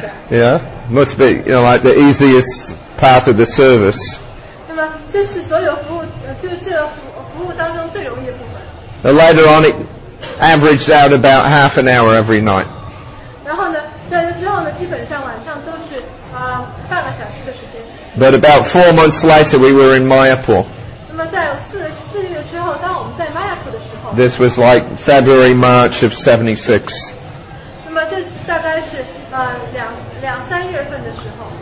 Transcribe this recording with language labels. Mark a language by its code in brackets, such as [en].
[en] Yeah, must be, you know, like the easiest part of the service. [zh] 这是所有服务当中最容易的部分。 [en] Later on, it averaged out about half an hour every night. [zh] 然后呢，在这之后呢，基本上晚上都是半个小时的时间。 [en] But about 4 months later, we were in Mayapur. [zh] 那么在四个月之后，当我们在 Mayapur 的时候。 [en] This was like February, March of 76. [zh] 那么这是大概是两三月份的时候。